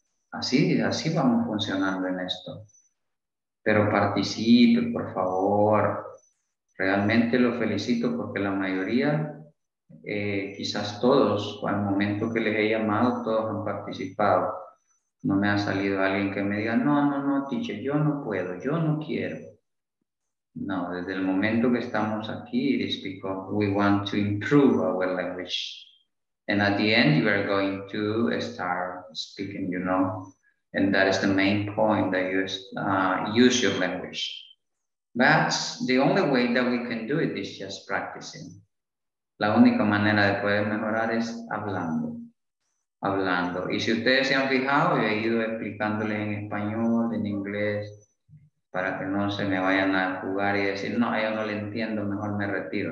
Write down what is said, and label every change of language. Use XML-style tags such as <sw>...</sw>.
<es>Así vamos funcionando en esto. Pero participe, por favor. Realmente lo felicito porque la mayoría, quizás todos, al momento que les he llamado, todos han participado. No me ha salido alguien que me diga, no, teacher, yo no puedo, yo no quiero. No, desde el momento que estamos aquí,</es> <en>it's because we want to improve our language. And at the end, you are going to start speaking, you know. And that is the main point that you use your language. That's the only way that we can do it is just practicing.</en> <es>La única manera de poder mejorar es hablando. Hablando. Y si ustedes se han fijado, yo he ido explicándole en español, en inglés, para que no se me vayan a jugar y decir, no, yo no le entiendo, mejor me retiro.</es>